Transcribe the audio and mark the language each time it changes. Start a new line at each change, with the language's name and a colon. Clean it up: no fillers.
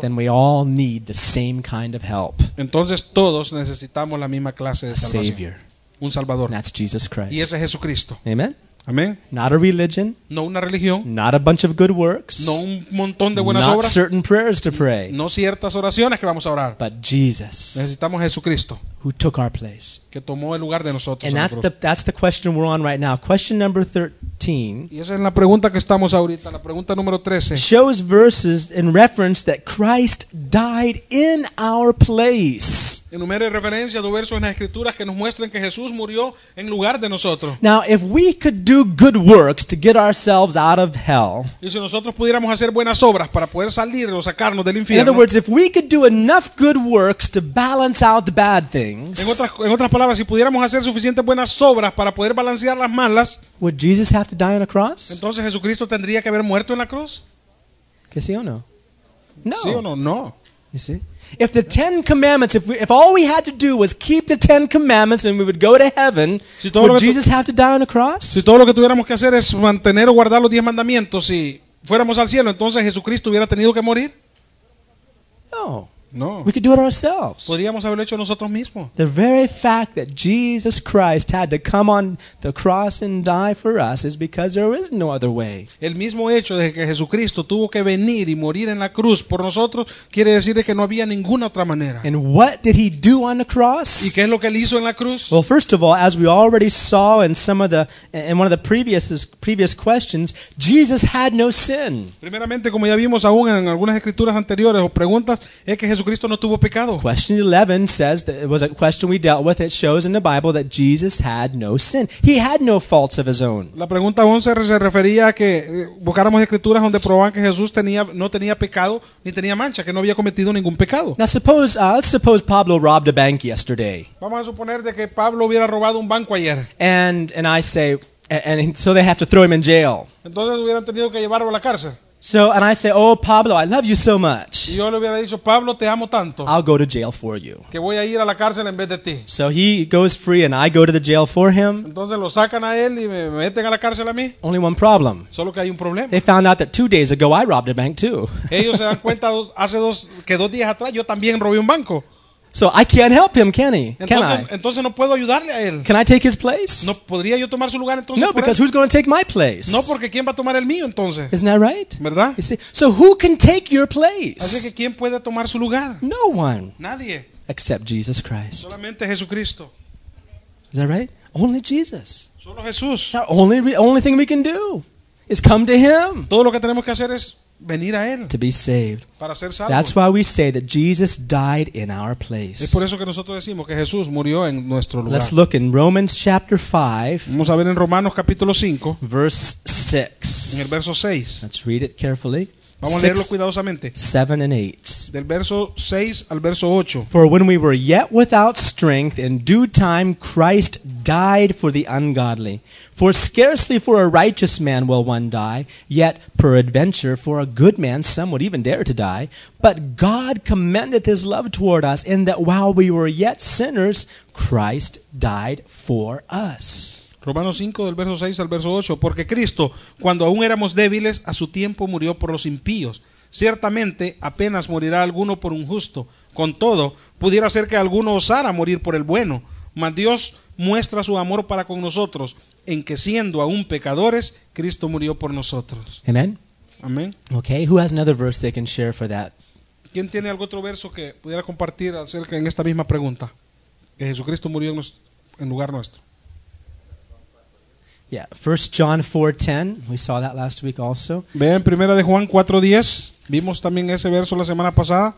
English: then we all need the same kind of help.
Spanish: Entonces todos necesitamos la misma clase de salvación.
English: A savior.
Spanish: Un salvador.
English: And that's Jesus Christ.
Spanish: Y ese es Jesucristo.
English: Amen.
Spanish: Amen.
English: Not a religion.
Spanish: No una religión.
English: Not a bunch of good works.
Spanish: No un montón de buenas
English: not
Spanish: obras.
English: Not certain prayers to pray.
Spanish: No ciertas oraciones que vamos a orar.
English: But Jesus.
Spanish: Necesitamos a Jesucristo.
English: Who took our place.
Spanish: Que tomó el lugar de nosotros.
English: And that's the question we're on right now. Question number 13.
Spanish: Y esa es la pregunta que estamos ahorita. La pregunta número 13.
English: Shows verses in reference that Christ died in our place.
Spanish: Enumere referencias o versos en las escrituras que nos muestren que Jesús murió en lugar de nosotros.
English: Now, if we could do good works to get ourselves out of hell.
Spanish: Y si nosotros pudiéramos hacer buenas obras para poder salir o sacarnos del infierno.
English: In other words, if we could do enough good works to balance out the bad things.
Spanish: En otras palabras, si pudiéramos hacer suficientes buenas obras para poder balancear las malas.
English: Would Jesus have to die on a cross?
Spanish: Entonces Jesucristo tendría que haber muerto en la cruz. ¿Que sí o no? No. Sí o no, no.
English: You see? If the Ten Commandments, if all we had to do was keep the Ten Commandments and we would go to heaven,
Spanish: si
English: would Jesus have to die on a cross?
Spanish: Si todo lo que tuviéramos que hacer es mantener o guardar los 10 mandamientos y fuéramos al cielo, entonces Jesucristo hubiera tenido que morir?
English: No.
Spanish: No.
English: We could do it ourselves.
Spanish: Podríamos haberlo hecho nosotros mismos.
English: The very fact that Jesus Christ had to come on the cross and die for us is because there is no other way.
Spanish: El mismo hecho de que Jesucristo tuvo que venir y morir en la cruz por nosotros quiere decir que no había ninguna otra manera.
English: And what did he do on the cross?
Spanish: ¿Y qué es lo que él hizo en la cruz?
English: Well, first of all, as we already saw in one of the previous questions, Jesus had no sin.
Spanish: Primeramente, como ya vimos aún en algunas escrituras anteriores o preguntas, es que Jesucristo no tuvo pecado.
English: Question 11 says that it was a question we dealt with. It shows in the Bible that Jesus had no sin. He had no faults of his own.
Spanish: La pregunta 11 se refería a que buscáramos escrituras donde probaban que Jesús no tenía pecado ni tenía mancha, que no había cometido ningún pecado.
English: Now let's suppose Pablo robbed a bank yesterday.
Spanish: Vamos a suponer de que Pablo hubiera robado un banco ayer.
English: And I say and so they have to throw him in jail.
Spanish: Entonces hubieran tenido que llevarlo a la cárcel.
English: So, and I say, oh, Pablo, I love you so much.
Spanish: Yo le hubiera dicho, Pablo, te amo tanto.
English: I'll go to jail for you.
Spanish: Que voy a ir a la cárcel en vez de ti.
English: So he goes free and I go to the jail for him.
Spanish: Entonces lo sacan a él y me meten a la cárcel a mí.
English: Only one problem.
Spanish: Solo que hay un problema.
English: They found out that 2 days ago I robbed a bank too.
Spanish: Ellos se dan cuenta hace dos días atrás yo también robé un banco.
English: So I can't help him, can he?
Spanish: Entonces no puedo ayudarle a él.
English: Can I take his place?
Spanish: No, ¿podría yo tomar su lugar entonces?
English: No, because who's going to take my place?
Spanish: No, porque ¿quién va a tomar el mío entonces?
English: Isn't that right?
Spanish: ¿Verdad?
English: You see? So who can take your place?
Spanish: Así que ¿quién puede tomar su lugar?
English: No one.
Spanish: Nadie.
English: Except Jesus Christ.
Spanish: Solamente Jesucristo.
English: Is that right? Only Jesus.
Spanish: Solo Jesús.
English: The only thing we can do is come to him.
Spanish: Todo lo que tenemos que hacer es venir a él,
English: to be saved.
Spanish: Para ser salvo.
English: That's why we say that Jesus died in our place.
Spanish: Es por eso que nosotros decimos que Jesús murió en nuestro lugar.
English: Let's look in Romans chapter 5.
Spanish: Vamos a ver en Romanos capítulo 5.
English: Verse 6.
Spanish: En el verso 6.
English: Let's read it carefully.
Spanish: Vamos a leerlo cuidadosamente.
English: 7 and 8.
Spanish: Del verso 6 al verso 8.
English: For when we were yet without strength, in due time Christ died for the ungodly. For scarcely for a righteous man will one die, yet peradventure for a good man some would even dare to die. But God commendeth his love toward us, in that while we were yet sinners, Christ died for us.
Spanish: Romanos 5, del verso 6 al verso 8. Porque Cristo, cuando aún éramos débiles, a su tiempo murió por los impíos. Ciertamente, apenas morirá alguno por un justo. Con todo, pudiera ser que alguno osara morir por el bueno. Mas Dios muestra su amor para con nosotros, en que siendo aún pecadores, Cristo murió por nosotros.
English: Amen.
Spanish: Amen.
English: Okay, who has another verse they can share for that?
Spanish: ¿Quién tiene algún otro verso que pudiera compartir acerca en esta misma pregunta? Que Jesucristo murió en lugar nuestro.
English: Yeah, 1 John 4:10. We saw that last week also.
Spanish: Vean, primera de Juan 4:10. Vimos también ese verso la semana pasada.